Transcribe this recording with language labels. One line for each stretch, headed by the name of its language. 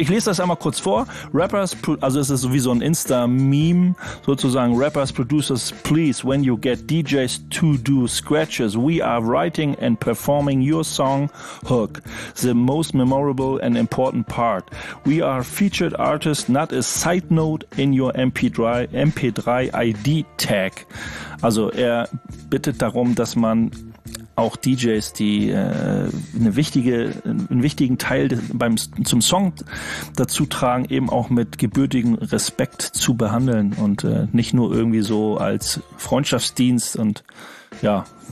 German: Ich lese das einmal kurz vor. Rappers, also es ist wie so ein Insta-Meme, sozusagen.
English: Rappers, Producers, please, when you get DJs to do scratches, we are writing and performing your song hook, the most memorable and important part. We are featured artists, not a side note in your MP3 ID tag.
German: Also er bittet darum, dass man auch DJs, die einen wichtigen Teil zum Song dazu tragen, eben auch mit gebürtigem Respekt zu behandeln und nicht nur irgendwie so als Freundschaftsdienst und ja.